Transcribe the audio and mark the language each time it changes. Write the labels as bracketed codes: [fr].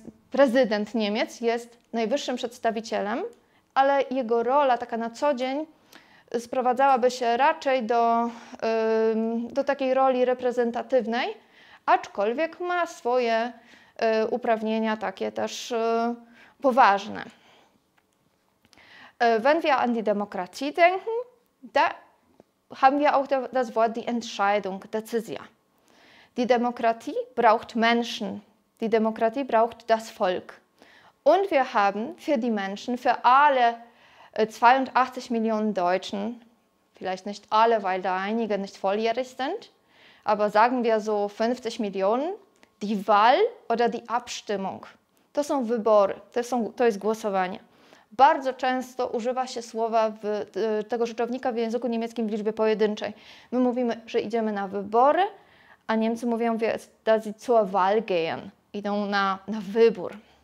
[pl] Präsident Niemiec jest najwyższym przedstawicielem, ale jego rola taka na co dzień sprowadzałaby się raczej do takiej roli reprezentatywnej, aczkolwiek ma swoje uprawnienia takie też poważne. [de] Wenn wir an die Demokratie denken, da haben wir auch das Wort die Entscheidung, Decyzja. Die Demokratie braucht Menschen. Die Demokratie braucht das Volk. Und wir haben für die Menschen, für alle 82 Millionen Deutschen, vielleicht nicht alle, weil da einige nicht volljährig sind, aber sagen wir so 50 Millionen, die Wahl oder die Abstimmung. [pl] To są wybory, to jest głosowanie. Bardzo często używa się słowa tego rzeczownika w języku niemieckim w liczbie pojedynczej. My mówimy, że idziemy na wybory, a Niemcy mówią, [de] dass sie zur Wahl gehen, [pl] idą na wybór.